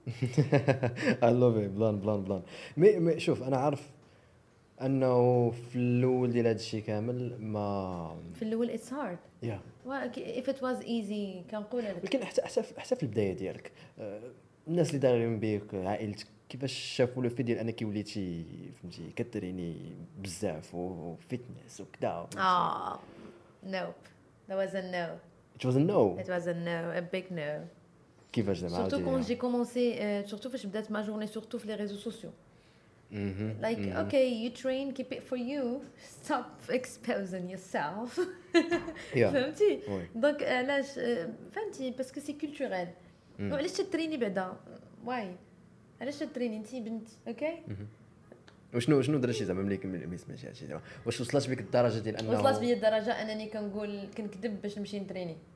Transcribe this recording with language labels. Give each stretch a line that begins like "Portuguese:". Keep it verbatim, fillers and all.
Arabic: اي لاف ات بلان بلان بلان مي, مي شوف انا عارف انه في الاول ديال هادشي كامل ما في الاول اتس هارد يا اف ات واز ايزي كنقول لك ولكن حتى حتى حتى في البدايه ديالك الناس اللي دايرين بك عائلتك كيفاش شافوا لو في ديال انك وليتي فهمتي كتريني بزاف وفيتنس وكذا اه نوب
English: That was a no. It was a no. It was a no, a big no.
Arabic: كيفاش زعما
French: surtout quand j'ai commencé euh, surtout
Arabic: فاش بدات
French: ما journée surtout
Arabic: في
French: les réseaux sociaux. Mm-hmm.
English: Like mm-hmm. okay, you train, keep it for you. Stop exposing yourself. Yeah.
Arabic: فهمتي؟
French: Oui.
Arabic: Donc علاش فهمتي باسكو سي كولتوريل. وعلاش تريني بعدا؟
English: Why?
Arabic: علاش تريني انت بنت؟
English: Okay?
Arabic: وشنو شنو درتي زعما ملي ما سمعتي هادشي زعما واش وصلت بك الدرجه ديال انه وصلت بيا الدرجه انني كنقول كنكذب باش نمشي نتريني